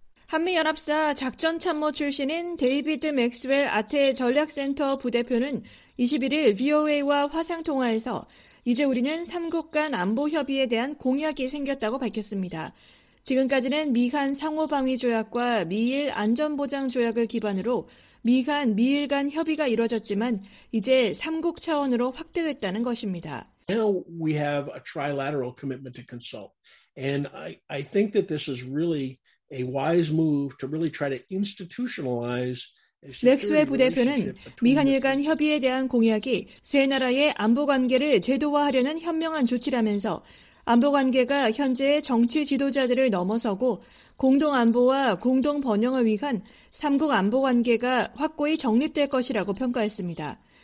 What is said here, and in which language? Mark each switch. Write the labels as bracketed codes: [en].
[ko] 한미연합사 작전참모 출신인 데이비드 맥스웰 아태 전략센터 부대표는 21일 VOA와 화상통화에서 이제 우리는 3국 간 안보 협의에 대한 공약이 생겼다고 밝혔습니다. 지금까지는 미한 상호방위조약과 미일 안전보장조약을 기반으로 미한 미일 간 협의가 이뤄졌지만 이제 3국 차원으로 확대됐다는 것입니다. [en] Now we have a trilateral commitment to consult. And I think that this is really a wise move to really try to institutionalize [ko] 맥스웰 부대표는 미한일 간 협의에 대한 공약이 세 나라의 안보 관계를 제도화하려는 현명한 조치라면서 안보 관계가 현재의 정치 지도자들을 넘어서고 공동 안보와 공동 번영을 위한 3국 안보 관계가 확고히 정립될 것이라고 평가했습니다.